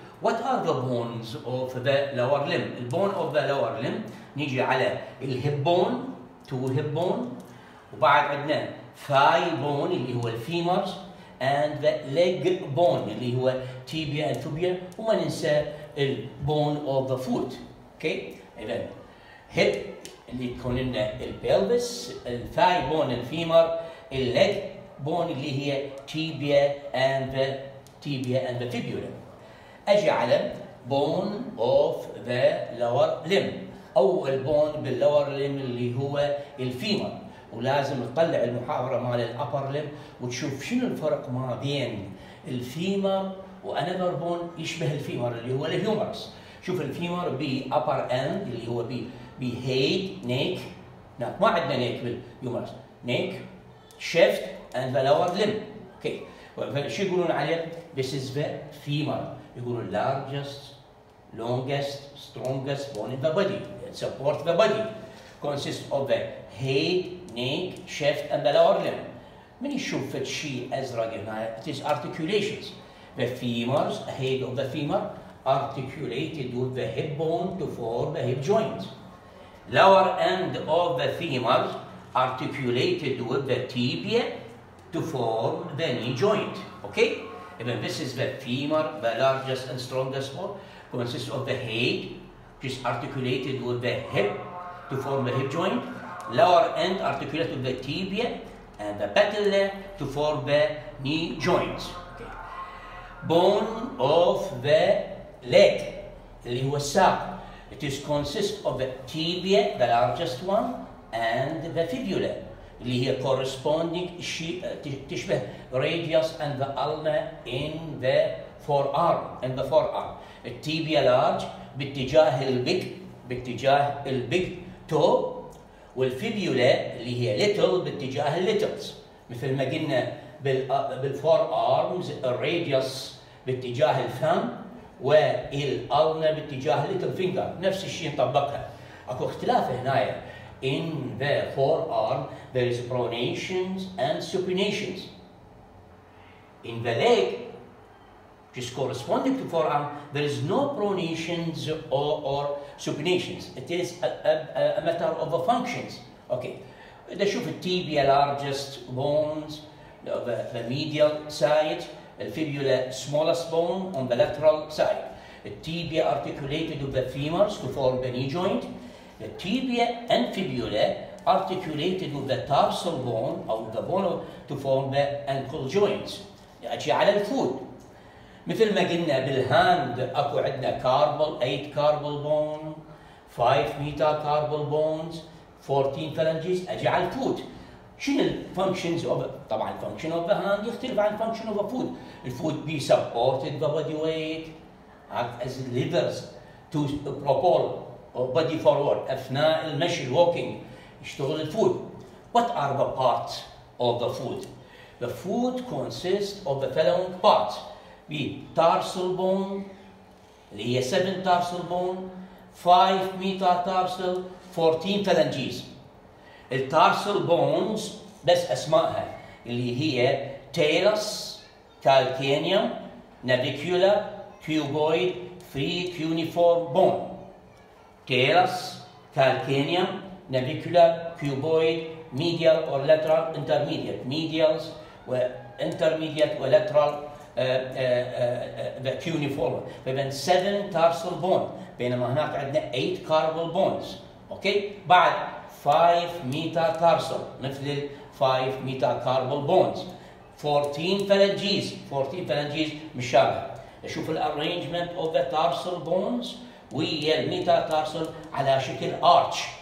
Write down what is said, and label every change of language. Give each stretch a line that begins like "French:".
English: What are the bones of the lower limb؟ The bone of the lower limb
Arabic: نيجي على
English: the hip bone، two hip bone،
Arabic: وبعد عندنا
English: thigh bone اللي هو femurs، and the leg bone اللي هو tibia and fibula،
Arabic: وما ننسى
English: the bone of the foot. Okay؟ إذن hip اللي يكون لنا the pelvis، the thigh bone the femur، the leg bone اللي هي tibia and the tibia and the fibula.
Arabic: أجي على bone of the lower limb، أول bone باللور limb اللي هو الفيمر، ولازم تطلع المحاورة مال الأبر limb وتشوف شنو الفرق ما بين الفيمر وأنذر bone يشبه الفيمر اللي هو الهيومرس. شوف الفيمر بي upper end اللي هو بي head neck، ما عندنا neck بالهيومرس، neck shift and the lower limb. Okay. شو يقولون عليه؟
English: This is the femur.
Arabic: يقولون largest
English: longest, strongest bone in the body. It supports the body. Consists of the head, neck, shaft, and the lower limb. من يشوف الشيء أزرق هنا؟ It is articulations. The femurs, head of the femur, articulated with the hip bone to form the hip joint. Lower end of the femur, articulated with the tibia to form the knee joint. Okay? Even this is the femur, the largest and strongest bone, consists of the head, which is articulated with the hip to form the hip joint. Lower end articulated with the tibia and the patella to form the knee joint. Okay. Bone of the leg,
Arabic: اللي هو الساق.
English: It is consists of the tibia, the largest one, and the fibula,
Arabic: اللي هي corresponding تشبه
English: radius and the ulna in the forearm. In the forearm, tibia large
Arabic: باتجاه البيج باتجاه البيج تو، والفيبيولا
English: اللي هي little باتجاه الليتلز.
Arabic: مثل ما قلنا بالفورارمز الراديوس باتجاه الفم والالنا باتجاه الليتل فينجر، نفس الشيء نطبقها. اكو اختلاف هنا.
English: In the forearm there is pronations and supinations. In the leg, which is corresponding to forearm, there is no pronations or supinations. It is a matter of the functions. Okay. They show the tibia largest bones, the medial side, the fibula smallest bone on the lateral side. The tibia articulated with the femurs to form the knee joint. The tibia and fibula articulated with the tarsal bone or the bone to form the ankle joints.
Arabic: يأتي على الفود. مثل ما قلنا بالهاند اكو عندنا كاربل 8 كاربل بون 5 ميتا كاربل بونز 14 فالانجيز. اجي على الفوت. شنو الفانكشنز اوف؟ طبعا الفانكشن اوف ذا هاند يختلف عن الفانكشن اوف الفوت.
English: الفوت be supported the body weight as levers to propel body forward
Arabic: اثناء المشي
English: الووكينج يشتغل الفوت. What are the parts of the foot? The foot consist of the following parts. The tarsal bone, اللي هي 7 tarsal bone, 5 metatarsal, 14 phalanges. The tarsal bones,
Arabic: بس أسماءها اللي هي
English: talus, calcaneum, navicular, cuboid, 3 cuneiform bone. Talus, calcaneum, navicular, cuboid, medial or lateral, intermediate. Medials, intermediate or lateral. The cuneiform. We have 7 tarsal bones.
Arabic: بينما هناك عندنا 8 carpal bones.
English: Okay. بعد 5 metatarsal. مثل 5 metacarpal bones. 14 phalanges. 14 phalanges. مشابه. شوف ال arrangement of the tarsal bones. We have metatarsal على شكل arch.